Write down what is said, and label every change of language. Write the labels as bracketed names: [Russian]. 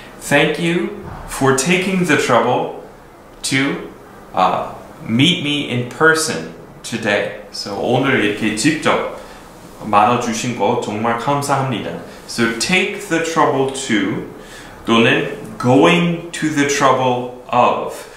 [English] Thank you for taking the trouble to meet me in person today. [Korean] So 오늘 이렇게 직접 만나주신 거 정말 감사합니다. [English] So take the trouble to [Korean] 또는 [English] going to the trouble of.